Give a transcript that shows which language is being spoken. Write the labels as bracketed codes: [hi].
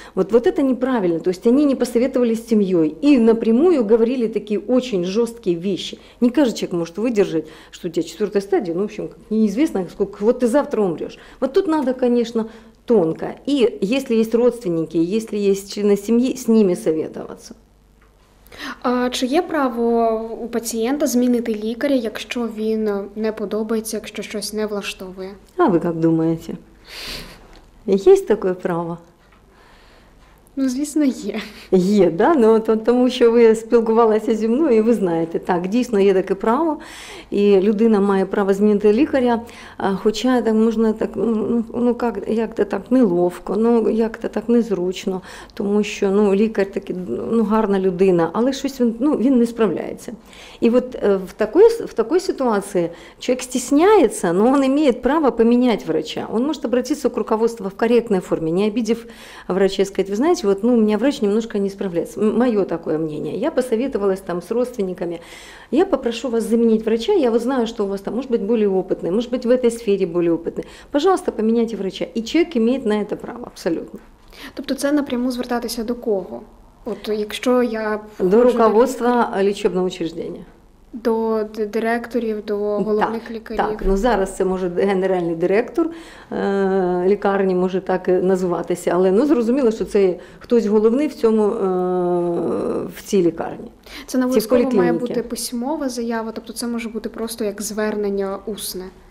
[ru] Вот это неправильно, то есть они не посоветовались с семьей и напрямую говорили такие очень жесткие вещи. Не каждый человек может выдержать, что у тебя четвертая стадия, ну, в общем, неизвестно, сколько, вот ты завтра умрешь. Вот тут надо, конечно, тонко. И если есть родственники, если есть члены семьи, с ними советоваться. [uk] А чи є право у пацієнта змінити лікаря, якщо він не подобається, якщо щось не влаштовує? А ви як думаєте? Є таке право? Ну, звісно, є. Є, да? Ну, тому що ви спілкувалися зі мною, і ви знаєте. Так, дійсно, є таке право, і людина має право змінити лікаря, хоча так можна так, ну, як-то так неловко, ну, як-то так незручно, тому що, ну, лікар таки, ну, гарна людина, але щось він, ну, він не справляється. І от в такій ситуації чоловік стесняється, але він має право поміняти врача. Він може обратитися до руководства в коректній формі, не обидів врача, сказати, ви знаєте, [ru] знаете, вот, ну, у меня врач немножко не справляется. Мое такое мнение. Я посоветовалась там с родственниками. Я попрошу вас заменить врача. Я вот знаю, что у вас там может быть более опытный, может быть, в этой сфере более опытный. Пожалуйста, поменяйте врача. И человек имеет на это право абсолютно. [uk] Тобто це напряму звертатися до кого? От якщо я [ru] до руководства лечебного учреждения. [uk] До директорів, до головних лікарів. Так, ну зараз це може генеральний директор лікарні, може так називатися, але ну зрозуміло, що це хтось головний в цьому в цій лікарні. Це на військовому має бути письмова заява, тобто це може бути просто як звернення усне.